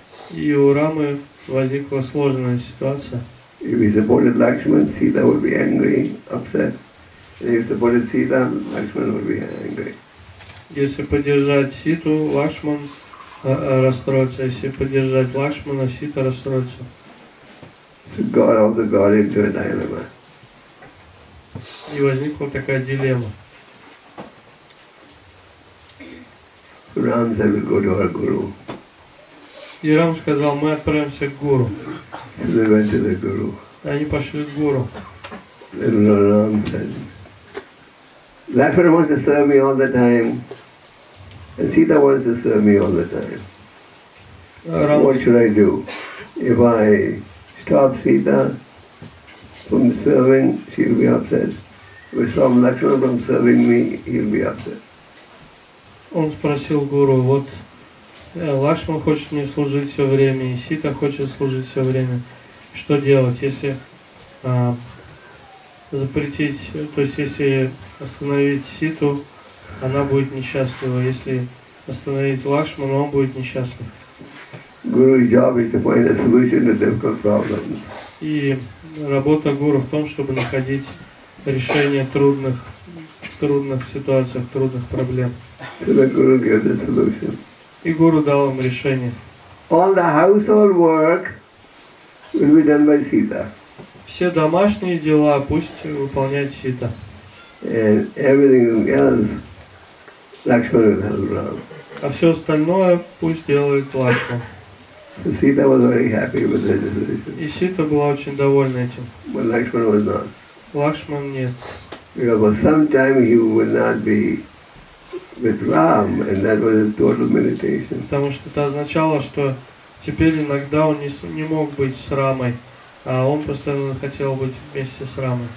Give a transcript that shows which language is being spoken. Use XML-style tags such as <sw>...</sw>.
<ru>И у Рамы возникла сложная ситуация.</ru> <en>If he supported Lakshman, Sita would be angry, upset. And if he supported Sita, Lakshman would be angry.</en> <ru>Если поддержать Ситу, Лакшман расстроится. Если поддержать Лакшмана, Сита расстроится.</ru> <en>So God also got into a dilemma.</en> <ru>И возникла такая дилемма.</ru> <en>Ram said, we'll go to our guru.</en> <ru>Ирам сказал, мы отправимся к гуру.</ru> <en>They went to the guru.</en> <ru>Они пошли к гуру.</ru> <en>Ram said, Lakshmana wants to serve me all the time. And Sita wants to serve me all the time. What should I do? If I stop Sita from serving, she'll be upset. If I stop Lakshmana from serving me, he'll be upset.</en> <ru>Он спросил гуру, вот Лакшман хочет мне служить все время, и Сита хочет служить все время. Что делать, если запретить, то есть если остановить Ситу, она будет несчастлива. Если остановить Лакшмана, он будет несчастлив.</ru> <en>Guru's job is to find a solution to difficult problems.</en> <ru>И работа гуру в том, чтобы находить решение трудных ситуаций, трудных проблем.</ru> <en>So the guru gave the solution.</en> <ru>И гуру дал им решение.</ru> <en>All the household work will be done by Sita.</en> <ru>Все домашние дела пусть выполняет Сита.</ru> <en>And everything else, Lakshmana will help Ram.</en> <ru>А все остальное пусть делает Лакшман.</ru> <en>So Sita was very happy with the decision.</en> <ru>И Сита была очень довольна этим.</ru> <en>But Lakshman was not.</en> <ru>Лакшман нет.</ru> <en>Because for some time he would not be with Ram, and that was his total meditation.</en> <ru>Потому что это означало, что теперь иногда он не мог быть с Рамой, а он постоянно хотел быть вместе с Рамой.</ru>